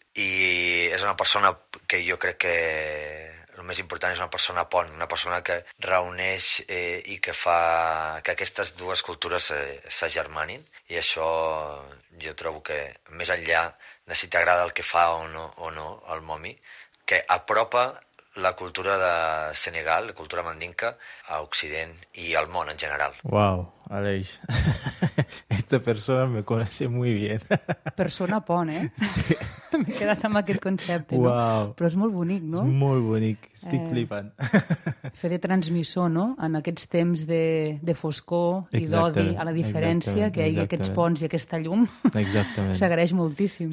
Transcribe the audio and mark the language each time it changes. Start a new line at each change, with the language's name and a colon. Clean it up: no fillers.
Catalan: I és una persona que jo crec que el més important és una persona pont, una persona que reuneix i que fa que aquestes dues cultures s'agermanin. I això jo trobo que més enllà de si t'agrada el que fa o no el Momi, que apropa la cultura de Senegal, la cultura mandinka, a Occident i al món en general. Uau, Aleix.
Spanish: Esta persona me conoce muy bien.
Catalan: Persona pont, eh? Sí. M'he quedat amb aquest concepte. Uau. No? Però és molt bonic, no? És molt bonic. Estic flipant. Fer de transmissor, no? En aquests temps de foscor i d'odi a la diferència, exactament, que hi hagi aquests ponts i aquesta llum. Exactament. S'agraeix moltíssim.